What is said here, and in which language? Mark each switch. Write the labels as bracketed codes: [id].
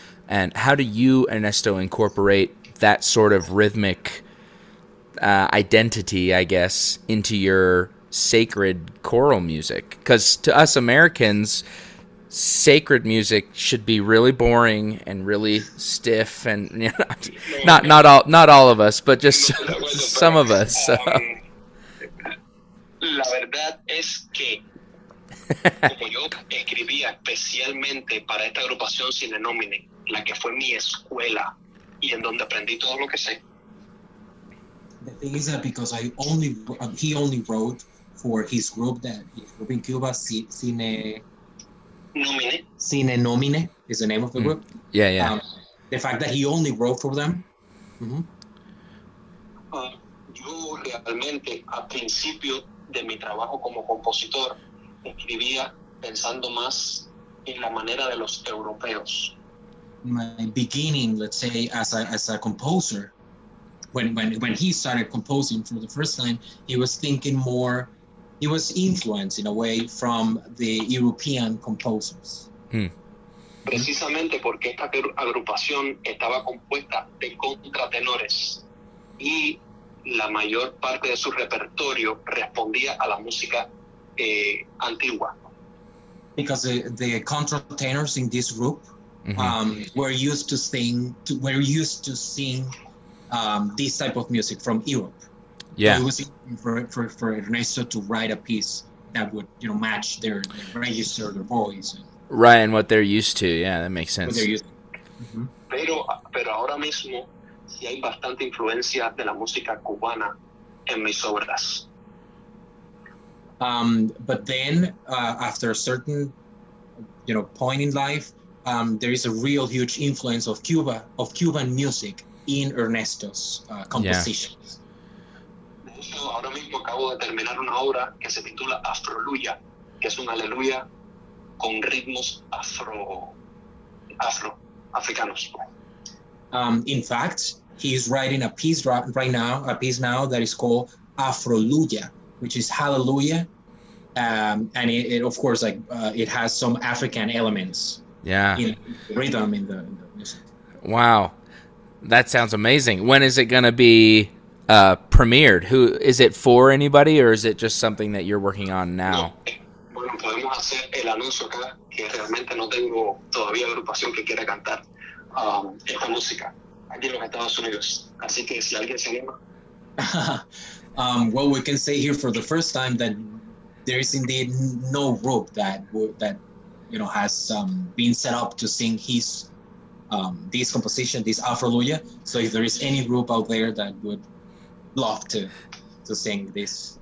[en] And how do you, Ernesto, incorporate that sort of rhythmic identity, I guess, into your sacred choral music? Because to us Americans, sacred music should be really boring and really stiff, and you know, not all of us, but just some of us. So. [es] La verdad es que como yo escribía especialmente para esta agrupación Sine Nomine, la que fue mi escuela y en donde aprendí todo lo que sé. [en] The thing is that because he only wrote for his group, that his group in Cuba, Sine Nomine is the name of the group. Yeah, yeah. The fact that he only wrote for them. Mm-hmm. [es] Yo realmente al principio de mi trabajo como compositor escribía pensando más en la manera de los europeos. [en] My beginning, let's say, as a composer, when he started composing for the first time, he was thinking more. He was influenced in a way from the European composers. [es] Precisamente porque esta agrupación estaba compuesta de contratenores y la mayor parte de su repertorio respondía a la música antigua. [en] Because the contratenors in this group were used to sing this type of music from Europe. Yeah, so it was for Ernesto to write a piece that would, you know, match their register, their voice. Right, and what they're used to. Yeah, that makes sense. [es] Pero ahora mismo sí hay bastante influencia de la música cubana en mis obras. [en] But then, after a certain, you know, point in life, there is a real huge influence of Cuban music in Ernesto's compositions. Yeah. [es] Ahora mismo acabo de terminar una obra que se titula Afroluya, que es una aleluya con ritmos afro africanos. [en] In fact, He's writing a piece right now, a piece now that is called Afroluya, which is Hallelujah. And it, of course, like it has some African elements. Yeah. In the rhythm in the music. Wow. That sounds amazing. When is it going to be premiered? Who is it for anybody, or is it just something that you're working on now? [es] Bueno, podemos hacer el anuncio acá que realmente no tengo todavía agrupación que quiera cantar esta música aquí en los Estados Unidos. Así que si alguien se anima. [en] Well, we can say here for the first time that there is indeed no group that you know has been set up to sing his this composition, this Afroluya. So if there is any group out there that would love to sing this.